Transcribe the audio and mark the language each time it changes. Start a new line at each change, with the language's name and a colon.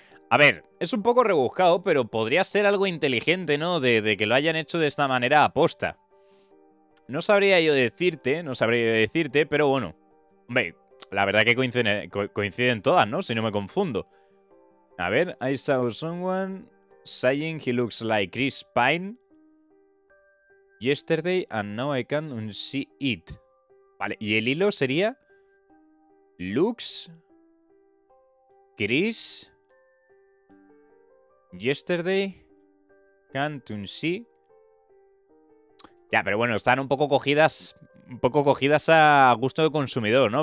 Spanish: A ver, es un poco rebuscado, pero podría ser algo inteligente, ¿no? De que lo hayan hecho de esta manera aposta. No sabría yo decirte, pero bueno. Hombre, la verdad que coinciden todas, ¿no? Si no me confundo. A ver,
English: I saw someone saying he looks like Chris Pine yesterday and now I can't unsee it.
Spanish: Vale, y el hilo sería
English: looks Chris yesterday can't unsee.
Spanish: Ya, pero bueno, están un poco cogidas a gusto de consumidor, ¿no?